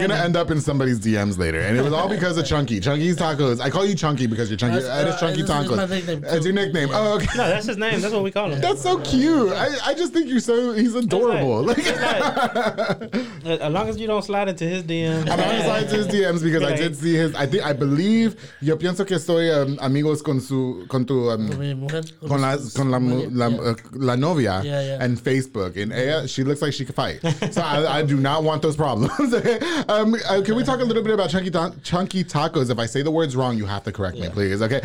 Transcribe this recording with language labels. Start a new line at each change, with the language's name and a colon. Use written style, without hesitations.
English: gonna end up in somebody's DMs later, and it was all because of Chunky's Tacos. I call you Chunky because you're Chunky. It's Chunky Tacos. That's your nickname. Yeah. Oh, okay. No, that's his name. That's what we call him. That's so cute. I just think you're he's adorable. Like, as long as you don't slide into his DMs. I'm not gonna slide into his DMs because I did see his. I believe.
Spanish: Yo pienso que estoy amigos con la novia en Facebook.
English: And Aya, she looks like she could fight. So I do not want those problems. can we talk a little bit about Chunky Tacos? If I say the words wrong, you have to correct me, please.